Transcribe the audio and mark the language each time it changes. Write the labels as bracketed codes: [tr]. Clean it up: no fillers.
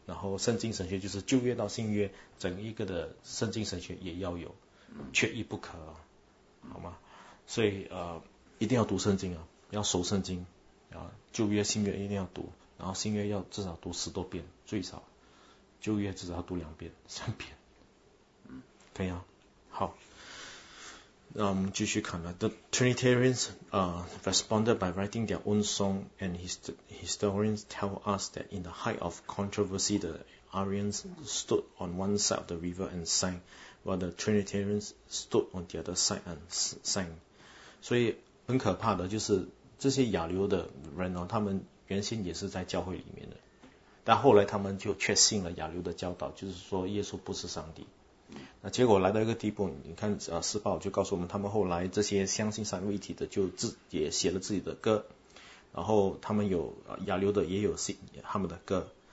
[zh] 然后圣经神学就是旧约到新约，整一个的圣经神学也要有，缺一不可，好吗？所以一定要读圣经啊，要熟圣经啊，旧约新约一定要读，然后新约要至少读10多遍，最少旧约至少要读2遍3遍，可以啊。好，那我们继续看了 [en] The Trinitarians responded by writing their own song, and historians tell us that in the height of controversy, the Arians stood on one side of the river and sang, while the Trinitarians stood on the other side and sang. [zh] 所以很可怕的就是这些亚流的人哦，他们原先也是在教会里面的，但后来他们就确信了亚流的教导，就是说耶稣不是上帝。那结果来到一个地步，你看世报就告诉我们，他们后来这些相信三位一体的就也写了自己的歌，然后他们有亚流的也有他们的歌。